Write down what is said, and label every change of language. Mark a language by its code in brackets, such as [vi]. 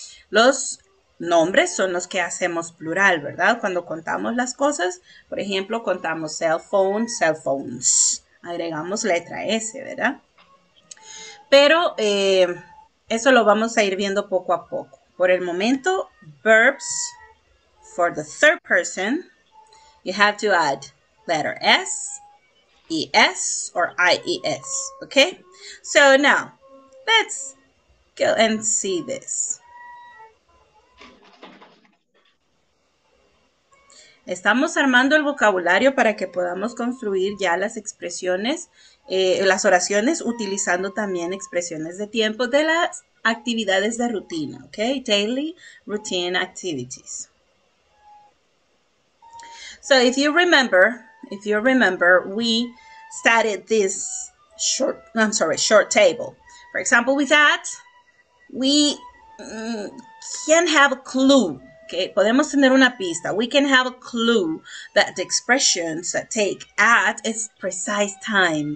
[es] Los nombres son los que hacemos plural, ¿verdad? Cuando contamos las cosas, por ejemplo, contamos cell phone, cell phones. Agregamos letra S, ¿verdad? Pero Eso lo vamos a ir viendo poco a poco. Por el momento, [en] verbs for the third person, you have to add letter S, ES, or IES, okay? So now, let's go and see this. [es] Estamos armando el vocabulario para que podamos construir ya las expresiones, las oraciones, utilizando también expresiones de tiempo de las actividades de rutina, okay? [en] Daily routine activities. So if you remember, we started this short table. For example, with that, we can have a clue. Okay, [es] podemos tener una pista. [en] We can have a clue that the expressions that take at its precise time.